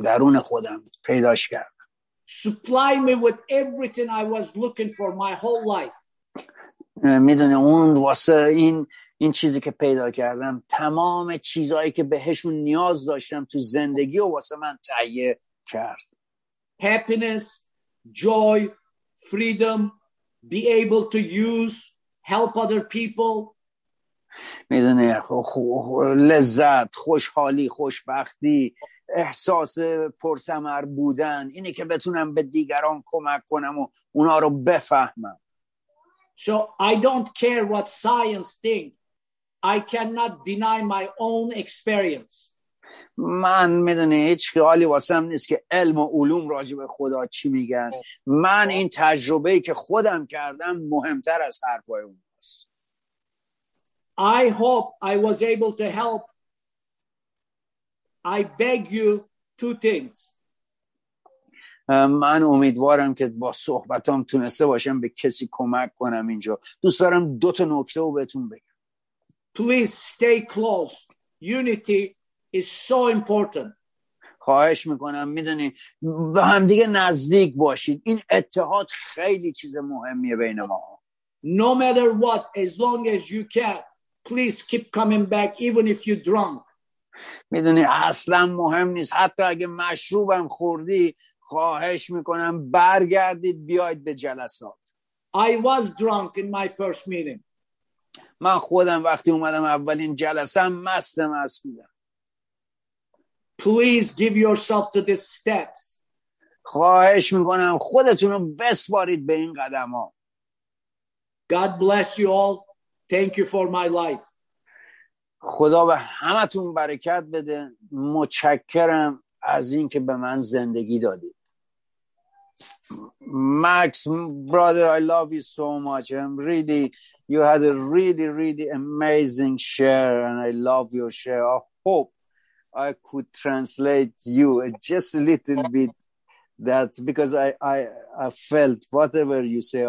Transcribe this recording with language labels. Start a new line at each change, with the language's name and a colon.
Persian: درون خودم پیداش کردم.
English: Supply me with everything I was looking for my whole life.
Persian: میدونه اون واسه این چیزی که پیدا کردم تمام چیزهایی که بهشون نیاز داشتم تو زندگی و واسه من تهیه کرد.
English: Happiness, joy, freedom, be able to use, help other people.
Persian: میدونه لذت، خوشحالی، خوشبختی، احساس پرثمر بودن، اینه که بتونم به دیگران کمک کنم و اونا رو بفهمم.
English: So I don't care what science think. I cannot deny my own experience.
Persian: من میدونی هیچ خیالی واسم نیست که علم و علوم راجع به خدا چی میگن. من این تجربه‌ای که خودم کردم مهمتر از حرفای اون است.
English: I hope I was able to help. I beg you two things.
Persian: من امیدوارم که با صحبتام تونسته باشم به کسی کمک کنم اینجا. دوست دارم دو تا نکته رو بهتون بگم.
English: Please stay close. Unity is so important.
Persian: خواهش میکنم میدونی به هم دیگه نزدیک باشید. این اتحاد خیلی چیز مهمیه بین ما.
English: No matter what, as long as you can, please keep coming back even if you're drunk.
Persian: میدونی اصلا مهم نیست حتی اگه مشروبم خوردی خواهش میکنم برگردید بیاید به جلسات.
English: I was drunk in my first meeting.
Persian: من خودم وقتی اومدم اولین جلسه مست بودم.
English: Please give yourself to these steps.
Persian: خواهش میکنم خودتونو بسپارید به این قدم ها.
English: God bless you all. Thank you for my life.
Persian: خدا به همتون برکت بده. متشکرم از این که به من زندگی دادید.
English: Max, brother, I love you so much. I'm really, you had a really, really amazing share, and I love your share. I hope I could translate you just a little bit. That because I felt whatever you say.